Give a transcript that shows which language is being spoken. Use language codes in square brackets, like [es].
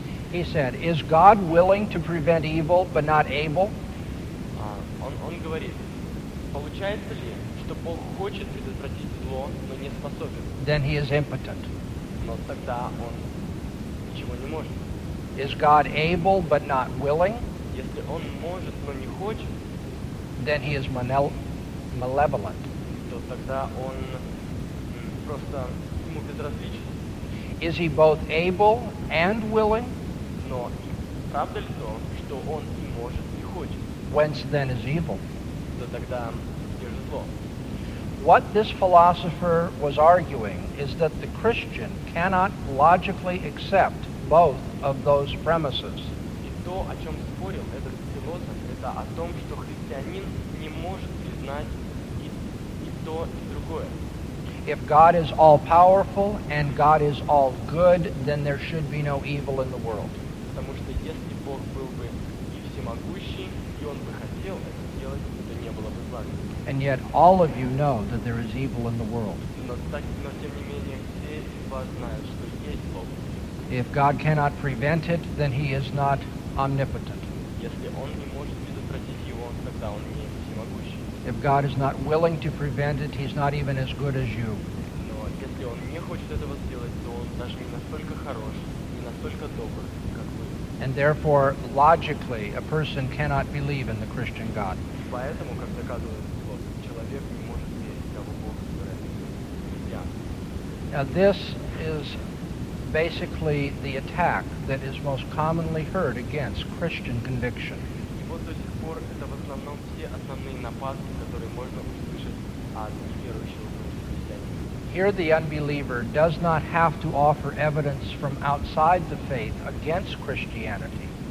[en] He said, is God willing to prevent evil but not able? [ru] Он говорит, получается ли, что Бог хочет предотвратить зло, но не способен? [en] Then he is impotent. [ru] но тогда он ничего не может. [en] Is God able but not willing? [ru] Если он может, но не хочет, [en] then he is malevolent. [ru] То тогда он просто ему безразличен. [en] Is he both able and willing? [ru] Но правда ли то, что он и может, и хочет? [en] Whence then is evil? [ru] То тогда где же зло? [en] What this philosopher was arguing is that the Christian cannot logically accept both of those premises. [ru] И то, о чем спорил этот философ, это о том, что христианин не может признать и то, и другое. [en] If God is all-powerful and God is all-good, then there should be no evil in the world. [ru] Потому что если Бог был бы и всемогущий, и он бы хотел это сделать, то не было бы зла. [en] And yet all of you know that there is evil in the world. [ru] Но тем не менее, все из вас знают, что есть зло. [en] If God cannot prevent it, then he is not omnipotent. [ru] Если он не может предотвратить его, тогда он не всемогущий. [en] If God is not willing to prevent it, he's not even as good as you. [ru] Но если он не хочет этого сделать, то он даже не настолько хорош, не настолько добр, как вы. [en] And therefore, logically, a person cannot believe in the Christian God. [ru] Поэтому, как доказывает философ, человек не может верить в того Бога, который есть. [en] Now this is basically the attack that is most commonly heard against Christian conviction. [ru] И вот до сих пор это в основном все основные нападки, которые можно услышать от неверующего христианина. [en] Here the unbeliever does not have to offer evidence from outside the faith against Christianity.